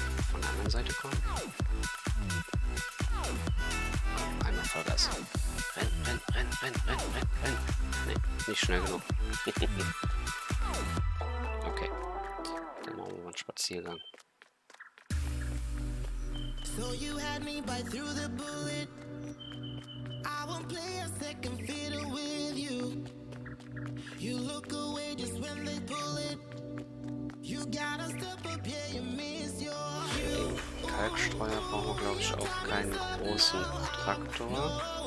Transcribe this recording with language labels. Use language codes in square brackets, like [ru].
[de] Von der anderen Seite kommen? Einmal vergessen. Renn, renn, renn, renn, renn, renn, renn. Nee, nicht schnell genug. Okay. Dann machen wir mal einen Spaziergang. [en] So you had me bite through the bullet. I won't play a second fiddle with you. You look away just when they pull it. You gotta step up, yeah, you miss your view. [de] Kalkstreuer brauchen wir, glaube ich, auch keinen großen Traktor.